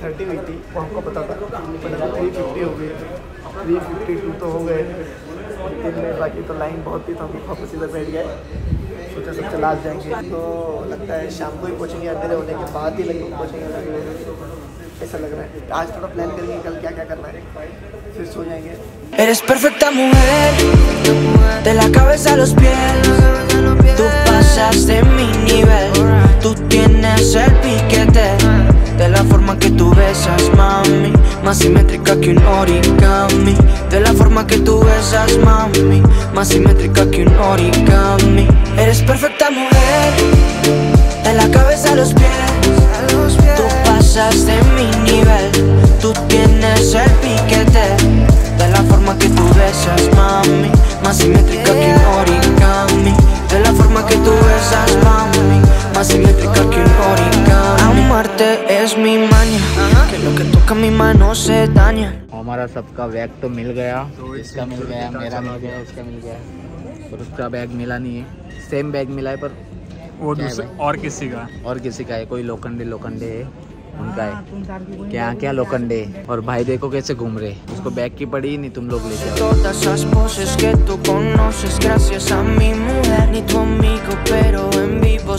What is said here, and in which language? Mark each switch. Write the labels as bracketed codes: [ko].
[hi] हुई थी वो हमको पता था, पर 3:50 हो गई, 3:52 तो हो गए दिन में, बाकी तो लाइन बहुत थी तो हम वापस इधर बैठ गए, सोचा सब चला जाएंगे, तो लगता है शाम को ही पहुँचेंगे, अंधेरे होने के बाद ही लगभग पहुँचेंगे ऐसा लग रहा है, आज थोड़ा प्लान करेंगे कल क्या क्या करना है, फिर सो जाएंगे। [es] Eres perfecta mujer, de la cabeza a los pies, tú pasas de mi nivel, tú tienes el piquete, de la forma que tú besas mami, más simétrica que un origami, de la forma que tú besas mami, más simétrica que un origami. Eres perfecta mujer, de la cabeza a los pies, tú pasas de mi nivel, tú tienes el piquete, de la forma que tú besas mami, más simétrica que un origami, de la forma que tú besas mami, más simétrica que un origami. Amarte es mi maña, que lo que toca mi mano se daña. [hi] हमारा सबका bag तो मिल गया, इसका मिल गया, मेरा मिल गया, उसका मिल गया, पर उसका बैग मिला नहीं है, सेम बैग मिला है पर वो दूसरा और किसी का, और किसी का है, कोई लोखंडे है उनका है, क्या क्या लोखंडे, और भाई देखो कैसे घूम रहे, उसको बैग की पड़ी नहीं, तुम लोग लेके